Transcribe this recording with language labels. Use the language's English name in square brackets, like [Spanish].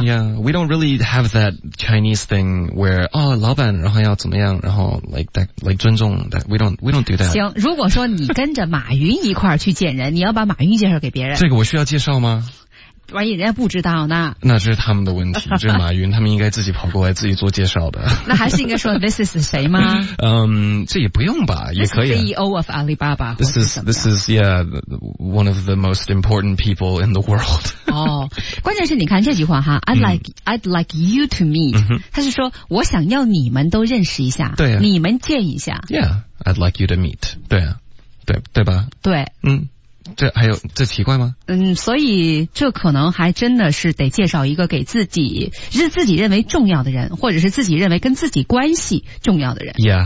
[English] We don't really have that Chinese thing where, [Chinese] 哦，老板然后要怎么样，然后 [English] like [Chinese] 尊重 [English] that, we don't do that. [Chinese] 行，如果说你跟着马云一块儿去见人，你要把马云介绍给别人，这个我需要介绍吗？万一人家不知道呢？那这是他们的问题，这是马云他们应该自己跑过来自己做介绍的。那还是应该说 [English] This is [Chinese] 谁吗？这也不用吧，也可以。 [English] CEO of Alibaba. This is one of the most important people in the world. [Chinese] 关键是你看这句话哈 ， [English] I'd like you to meet. [Chinese] 他是说我想要你们都认识一下，对啊，你们见一下。 [English] Yeah, I'd like you to meet. [Chinese] 对啊，对吧？对，这还有这奇怪吗？所以这可能还真的是得介绍一个给自己是自己认为重要的人，或者是自己认为跟自己关系重要的人。